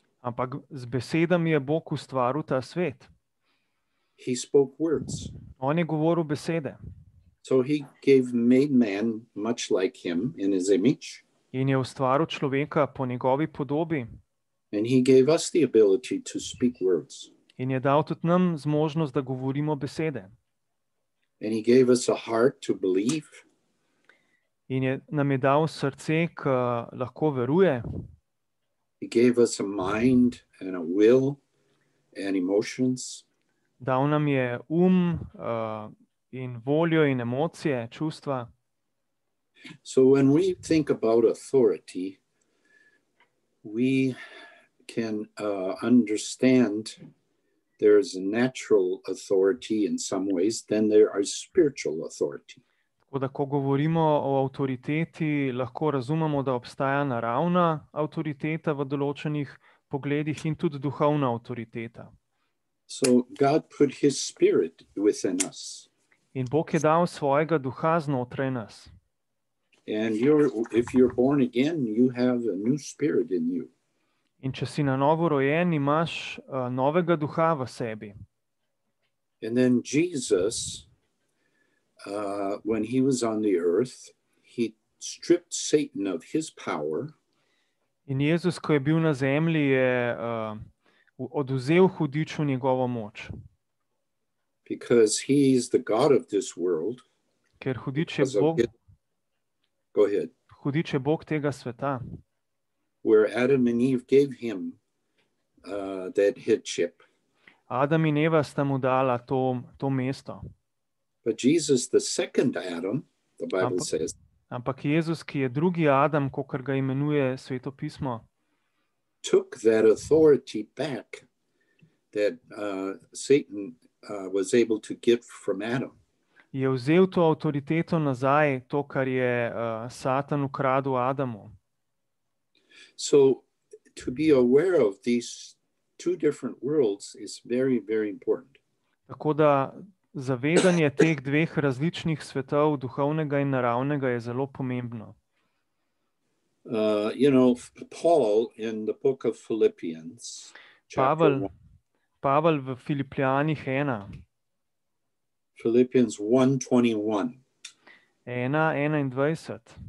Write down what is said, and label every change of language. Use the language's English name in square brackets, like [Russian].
[Slovenian] Ampak z besedami je Bog ustvaril ta svet. [English] He spoke words. [Slovenian] On je govoril besede. [English] So he gave made man much like him in his image. [Slovenian] In je ustvaril človeka po njegovi podobi. [English] And he gave us the ability to speak words. [Slovenian] In je dal tudi nam zmožnost, da govorimo besede. [English] And he gave us a heart to believe. [Slovenian] In je nam je dal srce, ki lahko veruje. [English] He gave us a mind and a will and emotions. [Slovenian] Dal nam je um in voljo in emocije, čustva. [English] So when we think about authority, we can understand there is a natural authority in some ways, then there are spiritual authority. [Slovenian] Tako da, ko govorimo o avtoriteti, lahko razumemo, da obstaja naravna avtoriteta v določenih pogledih in tudi duhovna avtoriteta. [English] So God put his spirit within us. [Slovenian] In Bog je dal svojega duha znotraj nas. [English] And if you're born again, you have a new spirit in you. [Slovenian] In če si na novo rojen, imaš novega duha v sebi. [English] And then Jesus, when he was on the earth, he stripped Satan of his power. [Slovenian] In Jezus, ko je bil na zemlji, je oduzel hudiču njegovo moč. [English] Because he is the god of this world. [Slovenian] Ker hudič je Bog. [English] Go ahead. [Slovenian] Hudič je Bog tega sveta. [English] where Adam and Eve gave him that headship. [Slovenian] Adam in Eva sta mu dala to mesto. [English] But Jesus, the second Adam, the Bible says. [Slovenian] Ampak Jezus, ki je drugi Adam, kakor ga imenuje Sveto pismo, [English] took that authority back that Satan was able to get from Adam. [Slovenian] Je vzel to avtoriteto nazaj, to, kar je Satan ukradu Adamu. [English] So, to be aware of these two different worlds is very, very important. [Slovenian] Tako da, zavedanje teh dveh različnih svetov, duhovnega in naravnega, je zelo pomembno. [English] You know, Paul in the book of Philippians, [Slovenian] Pavel, Pavel v Filipijanih 1. [English] Philippians 1:21. 1:21.